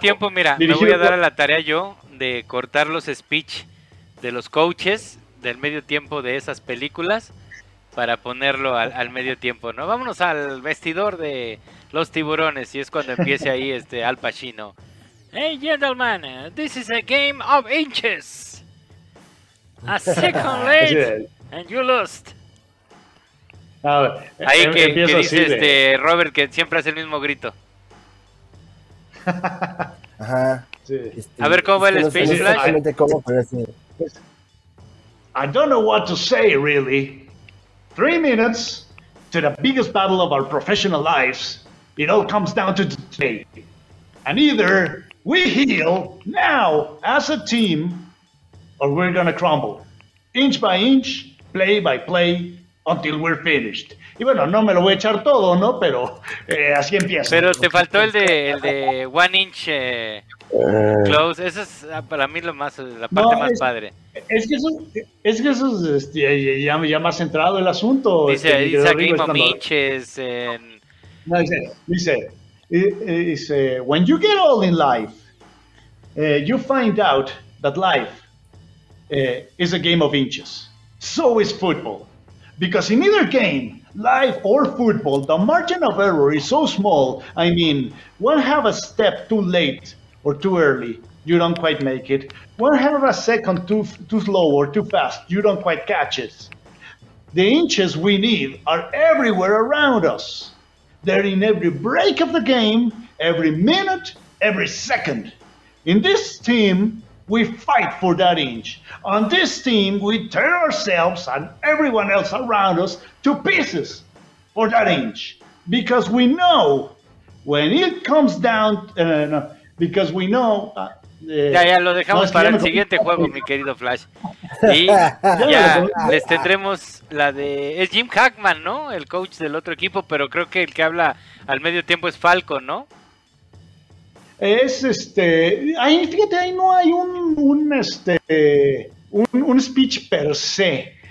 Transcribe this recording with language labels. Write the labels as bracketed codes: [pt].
[es] Tiempo, mira, dirigido me voy a dar a la tarea yo de cortar los speech de los coaches del medio tiempo de esas películas para ponerlo al medio tiempo, ¿no? Vámonos al vestidor de los tiburones, y es cuando empiece ahí Al Pacino. [en] Hey, gentlemen, this is a game of inches. A second late, and you lost. [es] Ahí que dice así, Robert, que siempre hace el mismo grito. Ajá. Sí. A ver, ¿cómo va el speech, Flash? [en] I don't know what to say, really. 3 minutes to the biggest battle of our professional lives. It all comes down to today. And either we heal now as a team, or we're gonna crumble. Inch by inch, play by play, until we're finished. [es] Y bueno, no me lo voy a echar todo, ¿no? Pero así empieza. Pero te faltó el de [en] one inch close. [es] Eso es para mí la parte más padre. Es que eso es ya más centrado el asunto. Dice Game of Inches en... No, dice, [en] when you get old in life, you find out that life is a game of inches. So is football. Because in either game, life or football, the margin of error is so small. I mean, one half a step too late or too early, you don't quite make it. One half a second too slow or too fast, you don't quite catch it. The inches we need are everywhere around us. They're in every break of the game, every minute, every second. In this team, We fight for that inch. On this team, we tear ourselves and everyone else around us to pieces for that inch. Because we know when it comes down, because we know... [es] Ya, lo dejamos para el siguiente juego, mi querido Flash. Y ya les tendremos la de... Es Jim Hackman, ¿no? El coach del otro equipo, pero creo que el que habla al medio tiempo es Falco, ¿no? Es ahí, fíjate, ahí no hay un speech per se.